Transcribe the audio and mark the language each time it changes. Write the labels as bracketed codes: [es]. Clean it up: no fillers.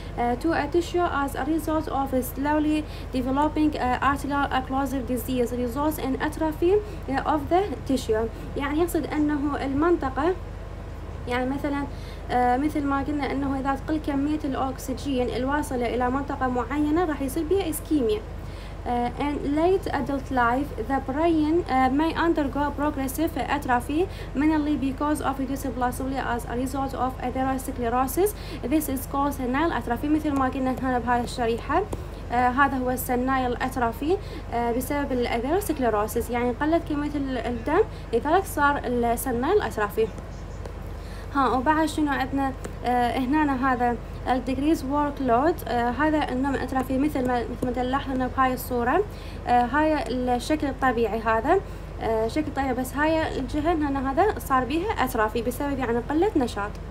[en] to a tissue as a result of slowly developing arterial occlusive disease results in atrophy of the tissue، [ar] يعني يقصد انه المنطقة يعني مثلا مثل ما قلنا انه اذا تقل كمية الاكسجين الواصلة الى منطقة معينة راح يصير بها اسكيميا. [en] And late adult life the brain may undergo progressive atrophy mainly because of reduced blood supply as a result of atherosclerosis. This is called senile atrophy، [ar] مثل ما قلنا هنا بهاي الشريحة. هذا هو السنايل أترافي بسبب الاثيروسكليروسيس، يعني قلت كمية الدم لذلك صار السنايل أترافي. ها، وبعد شنو عندنا هنا؟ هذا الديجريز ورك لود، هذا النوع من الأترافي مثل ما تلاحظون بهاي الصورة، هاي الشكل الطبيعي، هذا شكل طبيعي، بس هاي الجهة هنا هذا صار بيها أترافي بسبب يعني قلة نشاط.